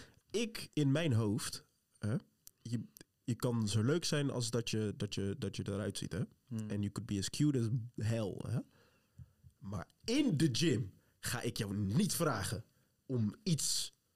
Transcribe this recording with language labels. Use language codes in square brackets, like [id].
[nl] Ik in mijn hoofd, je kan zo leuk zijn als dat je eruit ziet, hè? [en] En you could be as cute as hell, hè? [nl] Maar in de gym ga ik jou niet vragen om iets.